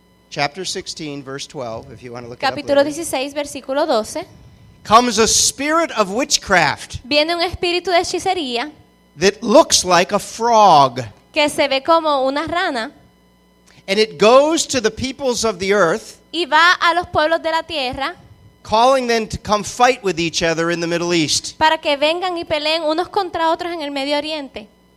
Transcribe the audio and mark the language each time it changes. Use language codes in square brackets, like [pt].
[en] Chapter 16, verse 12, if you want to look it up. [es] Capítulo 16, versículo 12. [en] Comes a spirit of witchcraft. [es] Viene un espíritu de hechicería. [en] That looks like a frog. [es] Que se ve como una rana. [en] And it goes to the peoples of the earth. [es] Y va a los pueblos de la tierra. [en] Calling them to come fight with each other in the Middle East. [es] Para que vengan y peleen unos contra otros en el Medio Oriente.